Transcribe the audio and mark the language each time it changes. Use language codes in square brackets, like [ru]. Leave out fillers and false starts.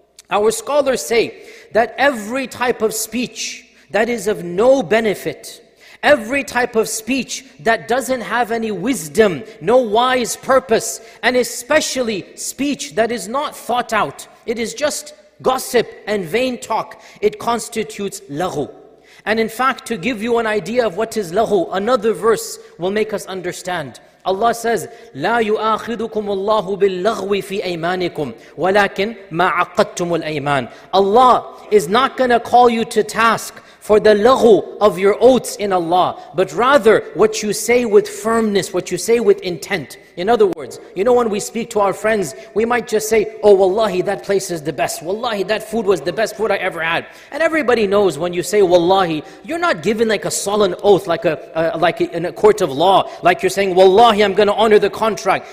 [en] Our scholars say that every type of speech that is of no benefit, every type of speech that doesn't have any wisdom, no wise purpose, and especially speech that is not thought out, it is just gossip and vain talk, it constitutes laghu. And in fact, to give you an idea of what is laghu, another verse will make us understand. [ar] Allah says, لَا يُؤَاخِذُكُمُ اللَّهُ بِاللَّغْوِ فِي أَيْمَانِكُمْ وَلَكِنْ مَا عَقَدْتُمُ الْأَيْمَانِ. [en] Allah is not gonna call you to task for the laghu of your oaths in Allah, but rather what you say with firmness, what you say with intent. In other words, you know, when we speak to our friends, we might just say, oh wallahi, that place is the best. Wallahi, that food was the best food I ever had. And everybody knows when you say wallahi, you're not giving like a solemn oath, like in a court of law, like you're saying, wallahi, I'm going to honor the contract.